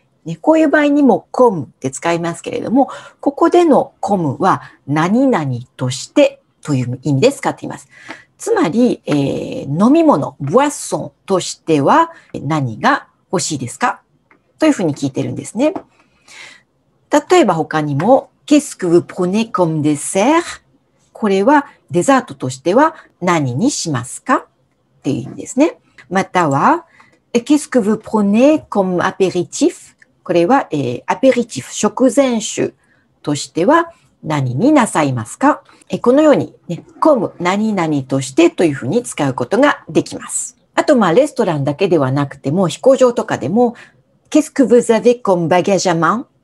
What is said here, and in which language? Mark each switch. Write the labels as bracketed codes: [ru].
[ja] ね、こういう場合にも、コムって使いますけれども、ここでのコムは、何々としてという意味で使っています。つまり、飲み物、ボアッソンとしては何が欲しいですかというふうに聞いてるんですね。 [fr] 例えば他にも、Qu'est-ce que vous prenez comme dessert? [ja] これはデザートとしては何にしますかっていう意味ですね。 [fr] または、Qu'est-ce que vous prenez comme apéritif? [ja] これは、apéritif、食前酒としては何になさいますか? このように、ね、コム、何々としてというふうに使うことができます。あと、まあ、レストランだけではなくても、飛行場とかでも、 [fr] Qu'est-ce que vous avez comme bagage à main?